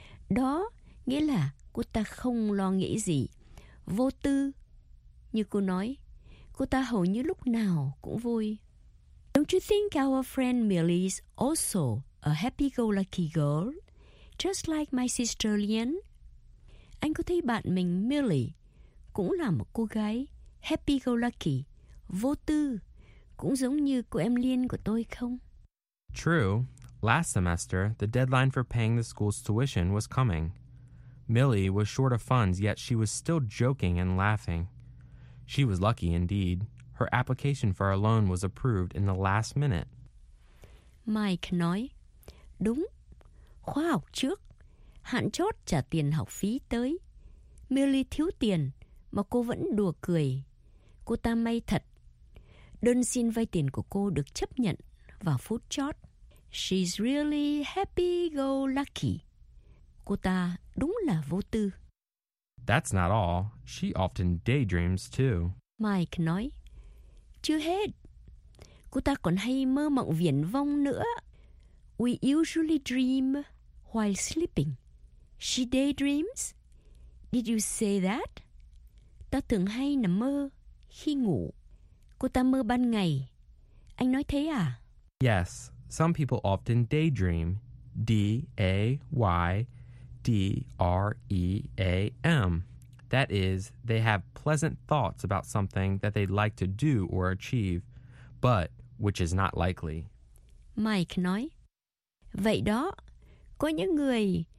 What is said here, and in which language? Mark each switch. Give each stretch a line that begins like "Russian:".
Vietnamese: Đó nghĩa là cô ta không lo nghĩ gì, vô tư. Như cô nói, cô ta hầu như lúc nào cũng vui.
English: Don't you think our friend Millie is also a happy-go-lucky girl, just like my sister Leanne?
Vietnamese: Anh có thấy bạn mình Millie cũng là một cô gái happy-go-lucky, vô tư, cũng giống như cô em Liên của tôi không?
English: True. Last semester, the deadline for paying the school's tuition was coming. Millie was short of funds, yet she was still joking and laughing. She was lucky indeed. Her application for a loan was approved in the last minute.
Vietnamese: Mike nói, đúng, khóa học trước. Hạn chót trả tiền học phí tới. Millie thiếu tiền mà cô vẫn đùa cười. Cô ta may thật. Đơn xin vay tiền của cô được chấp nhận vào phút chót.
English: She's really happy-go-lucky.
Vietnamese: Cô ta đúng là vô tư.
English: That's not all. She often daydreams too.
Vietnamese: Mike nói. Chưa hết. Cô ta còn hay mơ mộng viển vông nữa.
English: We usually dream while sleeping. She daydreams? Did you say that?
Vietnamese: Ta thường hay nằm mơ khi ngủ. Cô ta mơ ban ngày. Anh nói thế à?
English: Yes, some people often daydream. D-A-Y-D-R-E-A-M. That is, they have pleasant thoughts about something that they'd like to do or achieve, but which is not likely.
Vietnamese: Mike nói, vậy đó, có những người...